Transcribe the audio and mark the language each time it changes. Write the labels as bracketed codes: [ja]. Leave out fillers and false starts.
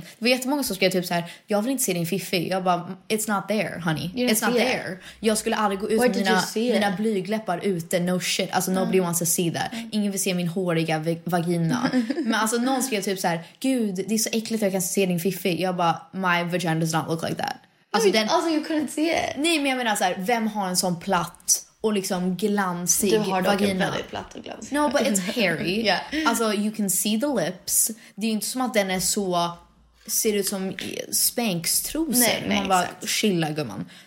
[sv] Det var jättemånga som skrev typ så här, jag vill inte se din fiffi. Jag bara, [en] it's not there, honey. It's not there. [sv] Jag skulle aldrig gå ut med mina blygläppar ute. [en] No shit. [sv] Alltså, [en] nobody wants to see that. [sv] Ingen vill se min håriga vagina. Men alltså, någon skrev typ så här, gud, det är så äckligt att jag kan se din fiffi. Jag bara, [en] my vagina does not look like that. Alltså, you couldn't see it. [sv] Nej, men jag menar så här, vem har en sån platt och liksom glansig vagina. Du har dock en väldigt platt och glansig. [en] No, but it's hairy. Yeah. Alltså, you can see the lips. [sv] Det är inte som att den är så, ser ut som spänkstrosen. Nej, man exakt. Bara, chilla gumman.